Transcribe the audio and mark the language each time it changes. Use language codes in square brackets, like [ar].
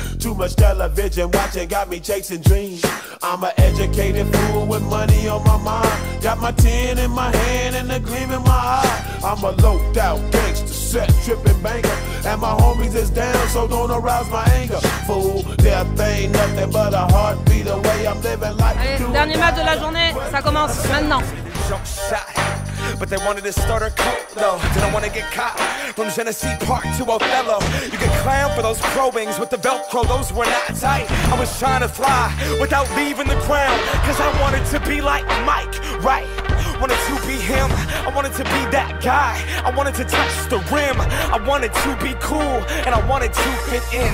[en] Too much television watching got me chasing dreams. I'm an educated fool with money on my mind. Got my 10 in my hand and a gleam in my eye. I'm a loped out gangster, set tripping banker. And my homies is down, so don't arouse my anger. Fool, death ain't nothing but a heartbeat away. I'm living life. [fr] Allez, dernier match de la journée, ça commence maintenant. [en] But they wanted to start a cult though. Didn't want to get caught from Genesee Park to Othello. You could clown for those crow wings with the Velcro, those were not tight. I was trying to fly without leaving the ground, cause I wanted to be like Mike, right? Wanted to be him, I wanted to be that guy. I wanted to touch the rim, I wanted to be cool, and I wanted to fit in.